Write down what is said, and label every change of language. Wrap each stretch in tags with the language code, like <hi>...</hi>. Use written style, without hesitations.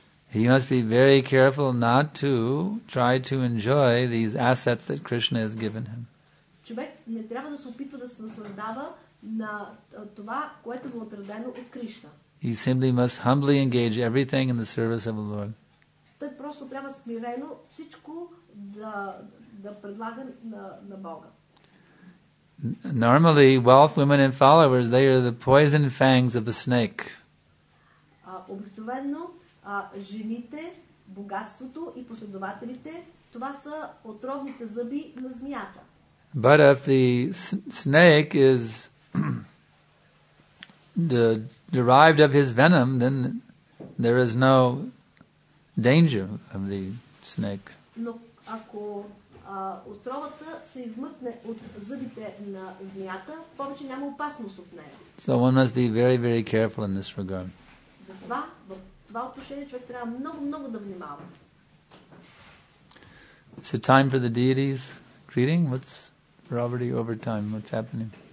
<en>He must be very careful not to try to enjoy these assets that Krishna has given him.</en> <bg>Човек не трябва да се опитва да се наслаждава на това, което му е отредено от Кришна.</bg> <en>He simply must humbly engage everything in the service of the Lord.</en> <bg>Той просто трябва смирено всичко да предлага на Бога.</bg> <en>Normally, wealth, women and followers, they are the poison fangs of the snake.</en> <bg>Обикновено, жените, богатството и последователите, това са отровните зъби на змията.</bg> <en>But if the snake is derived of his venom, then there is no danger of the snake.</en> <bg>Но ако отровата се измъкне от зъбите на змията, повече няма опасност от нея.</bg> <en>So one must be very, very careful in this regard.</en> <bg>Затова в това отношение човек трябва много, много да внимава.</bg> <en>Is it time for the deities greeting? What's Robert, over time, what's happening?</en>